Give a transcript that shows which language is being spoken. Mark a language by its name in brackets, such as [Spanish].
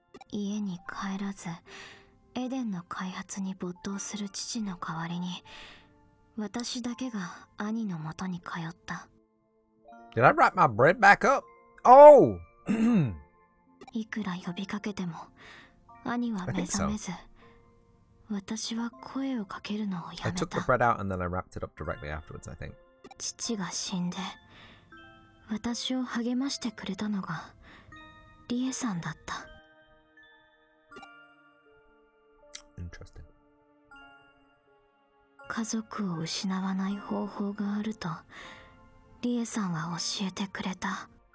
[Japanese] 家に帰らず、エデンの開発に没頭する父の代わりに、私だけが兄の元に通った。 [English] Did I wrap my bread back up? Oh! [Japanese] いくら呼びかけても、兄は目覚めず、私は声をかけるのをやめた。 [English] I took the bread out and then I wrapped it up directly afterwards, I think. [Japanese] 父が死んで、私を励ましてくれたのがリエさんだった。 [English] Interesting. [Japanese] 家族を失わない方法があるとリエさんは教えてくれた。